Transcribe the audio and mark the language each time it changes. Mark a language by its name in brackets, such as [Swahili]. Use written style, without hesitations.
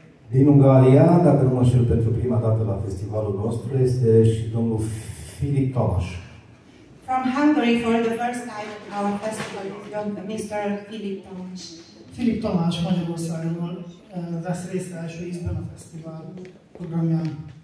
[Romanian] din Ungaria, dacă nu mă știu, pentru prima dată la festivalul nostru este și domnul Filip Tomas. [English] From Hungary for the first time at our festival Mr. Filip Tomas. [Hungarian] Filip Tomas, Magyarországról vesz részt első ízben a fesztivál programján.